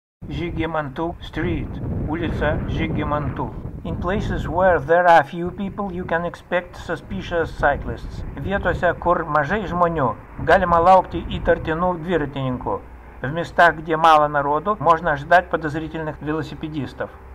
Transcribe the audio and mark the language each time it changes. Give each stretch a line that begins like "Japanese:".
English: Žygimantų Street, ulica Žygimantų. In places where there are few people, you can expect suspicious cyclists.
Lithuanian: Vietose, kur mažai žmonių, galima laukti įtartinų dviratininkų.
Russian: В местах, где мало народу, можно ожидать подозрительных велосипедистов.